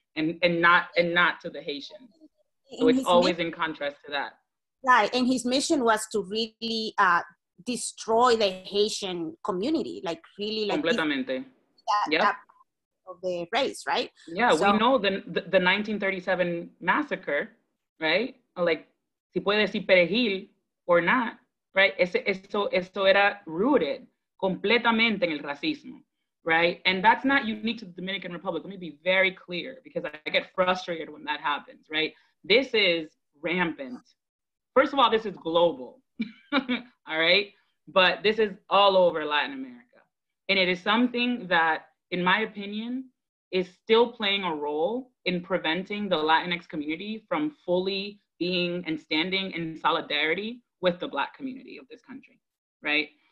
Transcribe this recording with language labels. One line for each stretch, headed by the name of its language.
English: And not to the Haitians. So it's always in contrast to that. Right, and his mission was to really destroy the Haitian community, like really like
Spanish: completamente.
English: The race, right? Yeah, so, we know the 1937 massacre, right? Like,
Spanish: si puede decir perejil
English: or not, right?
Spanish: Esto era
English: rooted
Spanish: completamente en el racismo,
English: right? And that's not unique to the Dominican Republic. Let me be very clear, because I get frustrated when that happens, right? This is rampant. First of all, this is global, all right? But this is all over Latin America. And it is something that, in my opinion, is still playing a role in preventing the Latinx community from fully being and standing in solidarity with the Black community of this country, right?